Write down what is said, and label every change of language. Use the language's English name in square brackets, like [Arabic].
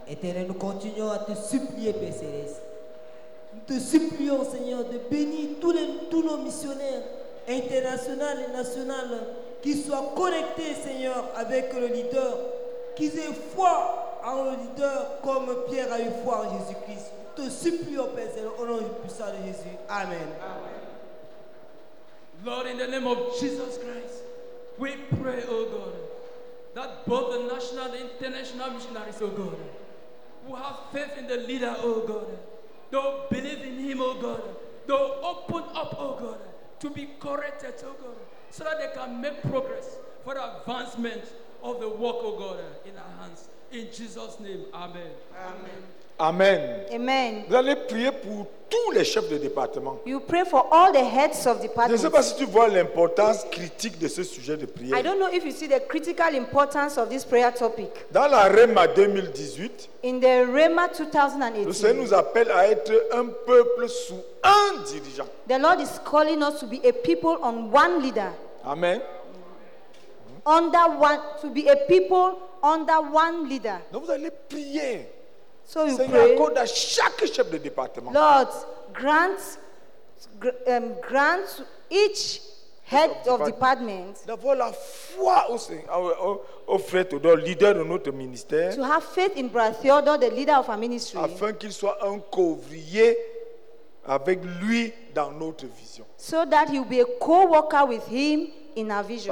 [French] Éternel, nous continuons à te supplier, Père Céleste. Nous te supplions, Seigneur, de bénir tous nos missionnaires internationales et nationales qui soient connectés, Seigneur, avec le leader, qu'ils aient foi en le leader comme Pierre a eu foi en Jésus-Christ. Nous te supplions, Père Seigneur, au nom du puissant de Jésus. Amen. Amen. [English] Lord, in the name of Jesus Christ, we pray, O God, that both the national and international missionaries, O God, who have faith in the leader, O God, though believe in him, O God, though open up, O God, to be corrected, O God, so that they can make progress for the advancement of the work, O God, in our hands. In Jesus' name, amen. Amen. Amen. [French] Vous allez prier pour tous les chefs de département. [English] You pray for all the heads of departments. [French] Je ne sais pas si tu vois l'importance critique de ce sujet de prière. [English] I don't know if you see the critical importance of this prayer topic. [French] Dans la Réma 2018. [English] In the Réma 2018. [French] Le Seigneur nous appelle à être un peuple sous un dirigeant. [English] The Lord is calling us to be a people on one leader. Amen. Under one, to be a people under one leader. [French] Donc vous allez prier. [English] So you [French] Seigneur, accorde à chaque chef de département. [English] Lord, grant to each head of department [French] d'avoir la foi au frère Théodore, leader de notre ministère. [English] To have faith in Brother Theodore, the leader of our ministry. [French] Afin qu'il soit un co-ouvrier avec lui dans notre vision. [English] So that he'll be a co-worker with him in our vision.